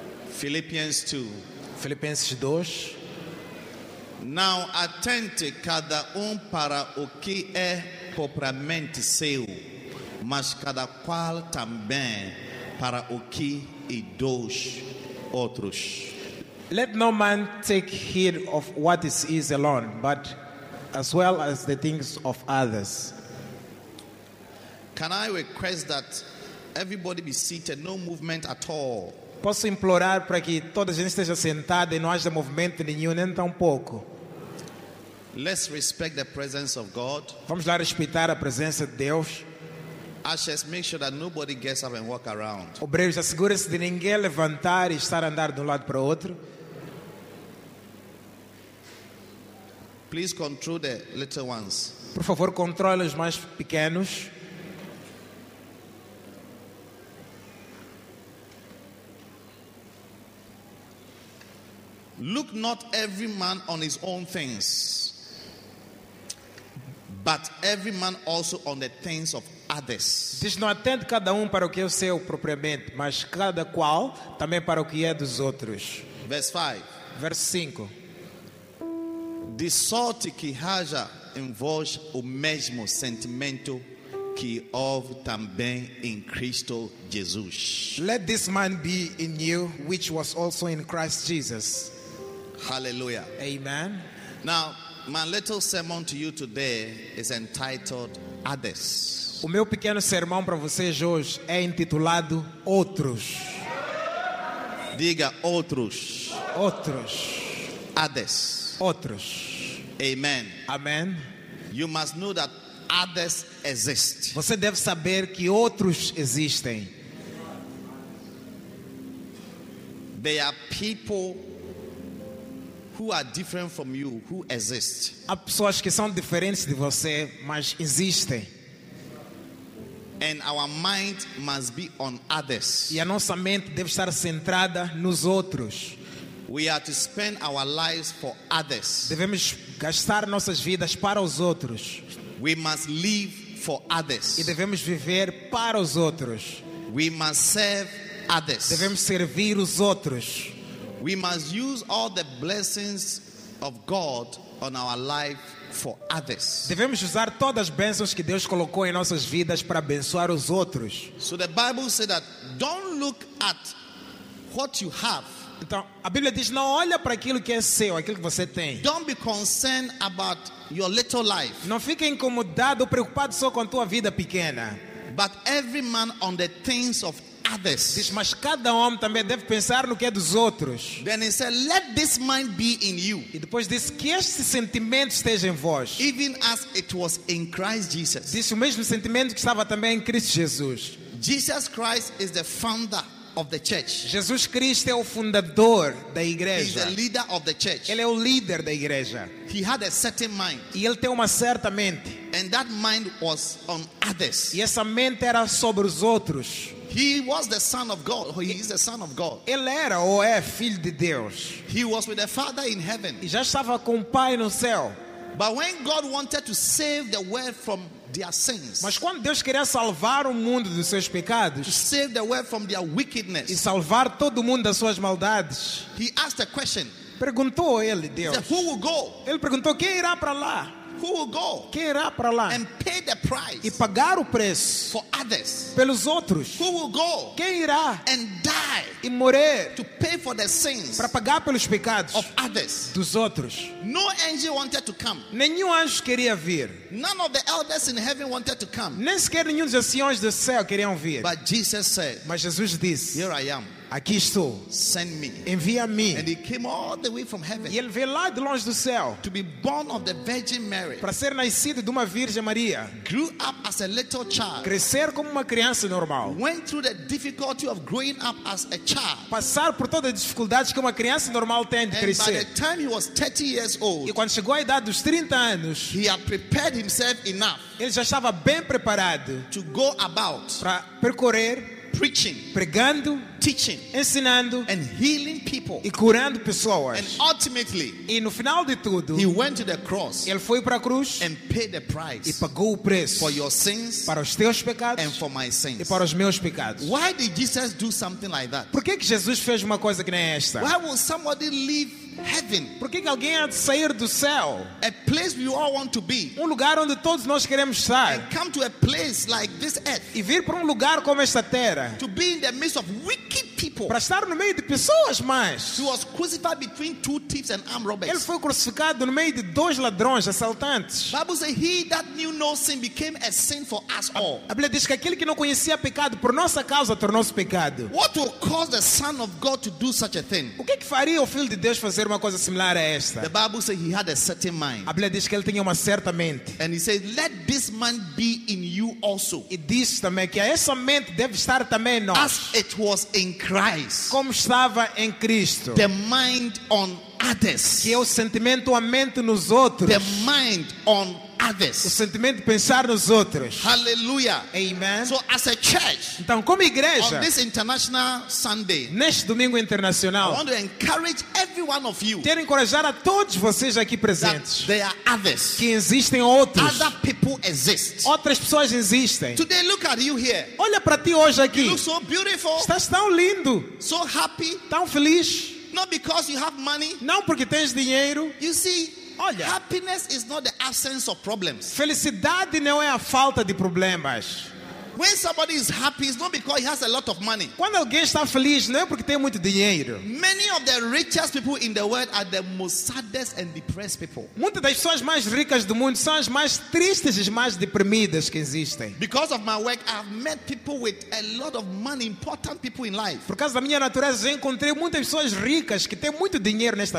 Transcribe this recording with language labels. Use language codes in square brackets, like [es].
[en] Philippians 2. [pt] Filipenses 2. Now atente cada para o que é propriamente seu, mas cada qual também para o que e dos outros. [en] Let no man take heed of what is his alone, but as well as the things of others. Can I request that everybody be seated, no movement at all. [pt] Posso implorar para que toda a gente esteja sentada e não haja movimento nenhum, nem tão pouco. [en] Let's respect the presence of God. [pt] Vamos lá respeitar a presença de Deus. [en] Ushers, make sure that nobody gets up and walk around. [pt] Obreiros, assegure-se de ninguém levantar e estar a andar de lado para o outro. [en] Please control the little ones. [pt] Por favor, controle os mais pequenos. [en] Look not every man on his own things, but every man also on the things of others. [pt] Diz, não atente cada para o que é o seu propriamente, mas cada qual também para o que é dos outros. [en] Verse 5. [pt] Verso 5. De sorte que haja em vós o mesmo sentimento que houve também em Cristo Jesus. [en] Let this man be in you, which was also in Christ Jesus. Hallelujah. Amen. Now, my little sermon to you today is entitled Others. [pt] O meu pequeno sermão para vocês hoje é intitulado Outros. Diga outros. Outros. [en] Others. [pt] Outros. [en] Amen. Amen. You must know that others exist. [pt] Você deve saber que outros existem. [en] There are people who are different from you, who exist. [pt] Há pessoas que são diferentes de você, mas existem. [en] And our mind must be on others. [pt] E a nossa mente deve estar centrada nos outros. [en] We are to spend our lives for others. [pt] Devemos gastar nossas vidas para os outros. [en] We must live for others. [pt] E devemos viver para os outros. [en] We must serve others. [pt] Devemos servir os outros. [en] We must use all the blessings of God on our life for others. [pt] Devemos usar todas as bênçãos que Deus colocou em nossas vidas para abençoar os outros. [en] So the Bible says that don't look at what you have. [pt] Então, a Bíblia diz: não olha para aquilo que é seu, aquilo que você tem. [en] Don't be concerned about your little life. [pt] Não fique incomodado, preocupado só com a tua vida pequena. [en] But every man on the things of others. [pt] Diz, mas cada homem também deve pensar no que é dos outros. [en] Then he said, let this mind be in you. [pt] E depois diz que este sentimento esteja em vós. [en] Even as it was in Christ Jesus. [pt] Diz o mesmo sentimento que estava também em Cristo Jesus. [en] Jesus Christ is the founder. Of the church. [pt] Jesus Cristo é o fundador da igreja. [en] He's the leader of the church. [pt] Ele é o líder da igreja. [en] He had a certain mind. [pt] E ele tem uma certa mente. [en] And that mind was on others. [pt] E essa mente era sobre os outros. [en] He was the son of God. He is the son of God. [pt] Ele era ou é filho de Deus. [en] He was with the Father in heaven. [pt] E já estava com o Pai no céu. [en] But when God wanted to save the world from their sins, [pt] mas quando Deus queria salvar o mundo dos seus pecados, [en] to save the world from their wickedness, [pt] e salvar todo mundo das suas maldades, [en] he asked a question. [pt] Perguntou ele, Deus. [en] He said, who will go? [pt] Ele perguntou quem irá para lá. [en] Who will go? [pt] Quem irá para lá? [en] And pay the price. [pt] E pagar o preço. [en] For others. [pt] Pelos outros. [en] Who will go? [pt] Quem irá? [en] And die. [pt] E morrer. [en] To pay for the sins. [pt] Para pagar pelos pecados. [en] Of others. [pt] Dos outros. [en] No angel wanted to come. [pt] Nenhum anjo queria vir. [en] None of the elders in heaven wanted to come. [pt] Nem sequer nenhum dos anciões do céu queriam vir. [en] But Jesus said, [pt] mas Jesus disse, [en] here I am. [pt] Aqui estou. [en] Send me. [pt] Envia-me. [en] And he came all the way from heaven. [pt] E ele veio lá de longe do céu. [en] To be born of the Virgin Mary. [pt] Para ser nascido de uma Virgem Maria. [en] Grew up as a little child. [pt] Crescer como uma criança normal. [en] Went through the difficulty of growing up as a child. [pt] Passar por todas as dificuldades que uma criança normal tem de crescer. [en] And by the time he was 30 years old. [pt] E quando chegou à idade dos 30 anos. [en] He had prepared himself enough. [pt] Ele já estava bem preparado. [en] To go about. [pt] Para percorrer. [en] Preaching, [pt] pregando, [en] teaching, [pt] ensinando, [en] and healing people, [pt] e curando pessoas, [en] and ultimately, [pt] e no final de tudo, [en] he went to the cross, [pt] ele foi para a cruz, [en] and paid the price, [pt] e pagou o preço, [en] for your sins, [pt] para os teus pecados, [en] and for my sins, [pt] e para os meus pecados. [en] Why did Jesus do something like that? [pt] Por que que Jesus fez uma coisa que nem esta? [en] Why will somebody leave heaven? [pt] Por que que alguém há de sair do céu? [en] A place we all want to be. [pt] Um lugar onde todos nós queremos estar. [en] And come to a place like this earth. [pt] E vir para um lugar como esta terra. [en] To be in the midst of wicked people. [pt] Para estar no meio de pessoas más. [en] He was crucified between two thieves and armed robbers. [pt] Ele foi crucificado no meio de dois ladrões assaltantes. [en] The Bible says he that knew no sin became a sin for us all. [pt] A Bíblia diz que aquele que não conhecia pecado por nossa causa tornou-se pecado. [en] What would cause the Son of God to do such a thing? [pt] O que que faria o Filho de Deus fazer uma coisa similar a esta? [en] The Bible says he had a certain mind. [pt] A Bíblia diz que ele tinha uma certa mente. [en] And he says, let this mind be in you also. [pt] E diz também que essa mente deve estar também em nós. [en] As it was in Christ. [pt] Como estava em Cristo. [en] The mind on others. [pt] Que é o sentimento, a mente nos outros. [en] The mind on others. [pt] O sentimento de pensar nos outros. [en] Hallelujah. Amen. So as a church, [pt] então como igreja, [en] on this International Sunday, [pt] neste domingo internacional, [en] I want to encourage every one of you, [pt] quero encorajar a todos vocês aqui presentes, [en] that there are others, [pt] que existem outros, [en] other people exist, [pt] outras pessoas existem. [en] Today look at you here. [pt] Olha para ti hoje aqui. [en] You look so beautiful. [pt] Estás tão lindo. [en] So happy. [pt] Tão feliz. [en] Not because you have money. [pt] Não porque tens dinheiro. [en] You see. [pt] Olha, [en] happiness is not the absence of problems. [pt] Felicidade não é a falta de problemas. [en] When somebody is happy, it's not because he has a lot of money. [pt] Quando alguém está feliz, não é porque tem muito dinheiro. [en] Many of the richest people in the world are the most saddest and depressed people. [pt] Muitas das pessoas mais ricas do mundo são as mais tristes e mais deprimidas que existem. [en] Because of my work, I've met people with a lot of money, important people in life. [pt] Por causa da minha natureza, encontrei muitas pessoas ricas que têm muito dinheiro nesta